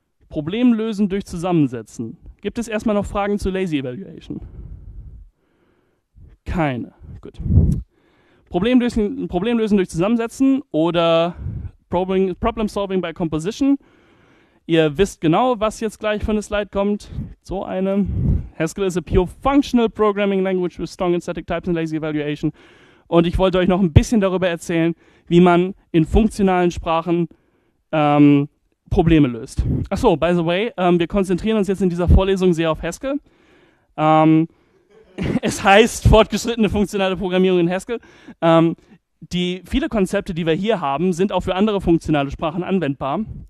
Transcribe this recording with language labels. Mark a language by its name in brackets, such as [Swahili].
[German] Problem lösen durch Zusammensetzen. Gibt es erstmal noch Fragen zu Lazy Evaluation? Keine. Gut. Problem lösen durch Zusammensetzen oder [English] Problem Solving by Composition. [German] Ihr wisst genau, was jetzt gleich von der Slide kommt. So eine. [English] Haskell is a pure functional programming language with strong in static types and lazy evaluation. [German] Und ich wollte euch noch ein bisschen darüber erzählen, wie man in funktionalen Sprachen Probleme löst. Achso, [English] by the way, [German] wir konzentrieren uns jetzt in dieser Vorlesung sehr auf Haskell. Es heißt fortgeschrittene funktionale Programmierung in Haskell. Viele Konzepte, die wir hier haben, sind auch für andere funktionale Sprachen anwendbar.